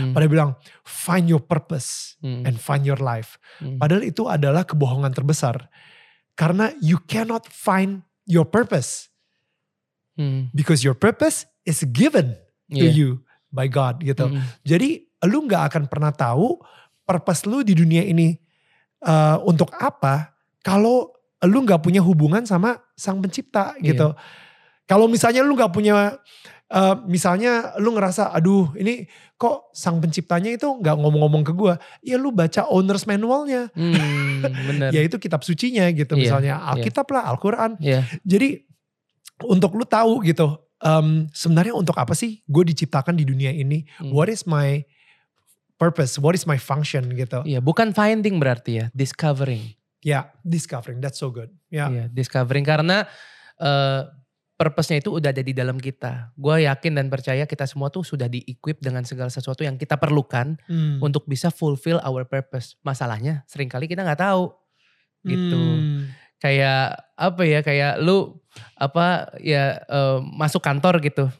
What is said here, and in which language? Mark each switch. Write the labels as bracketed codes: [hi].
[id] Pada bilang, [en] find your purpose and find your life. [id] Padahal itu adalah kebohongan terbesar. [en] Karena you cannot find your purpose. Because your purpose is given to you by God gitu. [id] Jadi lu gak akan pernah tahu purpose lu di dunia ini untuk apa. Kalau lu gak punya hubungan sama sang pencipta gitu. Kalau misalnya lu gak punya, misalnya lu ngerasa, aduh ini kok sang penciptanya itu gak ngomong-ngomong ke gue. Ya lu baca owner's manualnya. Bener. Ya itu kitab sucinya gitu, misalnya Alkitab lah, Al-Quran. Yeah. Jadi untuk lu tahu gitu, sebenarnya untuk apa sih gue diciptakan di dunia ini? [en] What is my purpose? What is my function gitu? [id] Iya, bukan finding berarti ya, discovering. [en] Ya, discovering, that's so good. [id] Discovering karena purpose-nya itu udah ada di dalam kita. Gue yakin dan percaya kita semua tuh sudah di-equip dengan segala sesuatu yang kita perlukan untuk bisa [en] fulfill our purpose. [id] Masalahnya seringkali kita gak tahu gitu. Kayak apa ya, kayak lu apa ya masuk kantor gitu.